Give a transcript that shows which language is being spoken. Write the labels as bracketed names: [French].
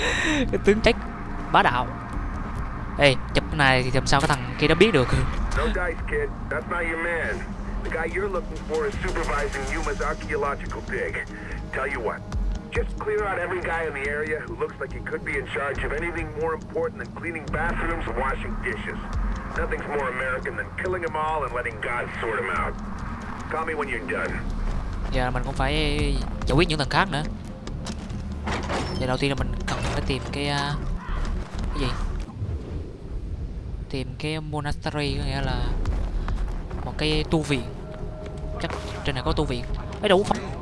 [Vietnamese] Cái tướng trách bá đạo. Ê, chụp cái này thì làm sao cái thằng kia nó biết được. [English] No dice, kid. That's not your man. The guy you're looking for is supervising Yuma's archaeological dig. Tell you what, just clear out every guy in the area who looks like he could be in charge of anything more important than cleaning bathrooms and washing dishes. Nothing's more American than killing them all and letting God sort them out. Call me when you're done. [Vietnamese] Giờ mình cũng phải giải quyết những thằng khác nữa. Giờ đầu tiên là mình cần phải tìm cái gì? Tìm cái monastery, có nghĩa là một cái tu viện. Chắc trên này có tu viện. Ấy đủ không?